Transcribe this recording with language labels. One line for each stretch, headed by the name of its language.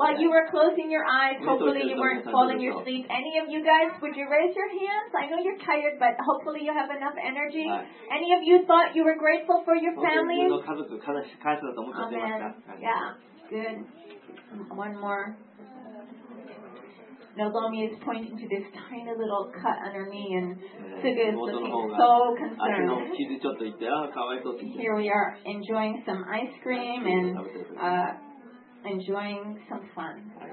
English: While you were closing your eyes, hopefully you weren't falling asleep. Any of you guys, would you raise your hands? I know you're tired, but hopefully you have enough energy. Any of you thought you were grateful for your family?
Japanese: 自分の家族感謝だと思ってますか？
English: Yeah. Good. One more. Nozomi is pointing to this tiny little cut under me, and Suga is looking so concerned. Here we are enjoying some ice cream and enjoying some fun.